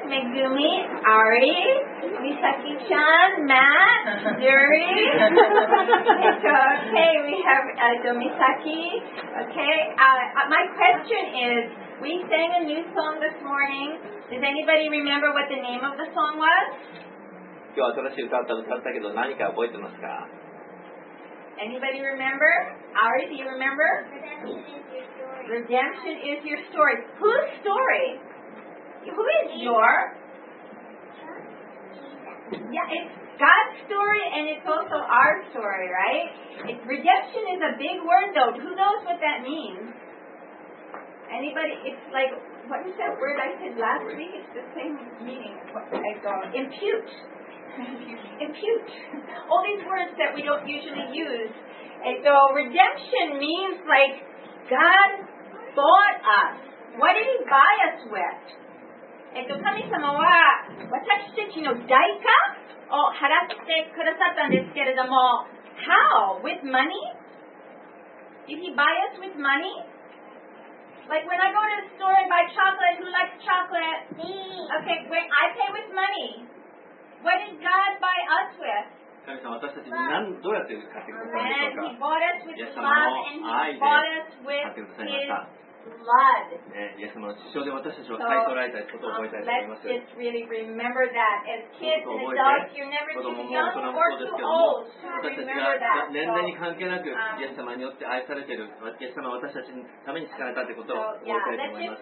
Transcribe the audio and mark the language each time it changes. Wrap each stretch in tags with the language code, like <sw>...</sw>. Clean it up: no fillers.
<en>Megumi, Ari, Misaki-chan, Matt, Yuri. Okay, we have Misaki. Okay, my question is, we sang a new song this morning. Does anybody remember what the name of the song was?</en> <ja>今日新しい歌を歌ったけど何か覚えてますか?</ja> <en>Anybody remember? Ari, do you remember? Redemption is your story. Redemption is your story. Whose story? Who is your? Yeah, it's God's story and it's also our story, right? Redemption is a big word though. Who knows what that means? Anybody? It's like, what is that word I said last week? It's the same meaning. I don't. Impute. Impute. All these words that we don't usually use. And so redemption means like God bought us. What did he buy us with? And so</en> <ja>神様は私たちの代価を払ってくださったんですけれども</ja> <en>How? With money? Did he buy us with money? Like when I go to the store and buy chocolate, who likes chocolate? Me. Okay, when I pay with money. What did God buy us with? And he bought us with his love and he bought us with his blood. So let's just really remember that. As kids and adults, you're never too young or too old to remember that.</en> <ja>年齢に関係なく、イエス様によって愛されている、イエス様は私たちのために使われたということを覚えたいと思います。</ja>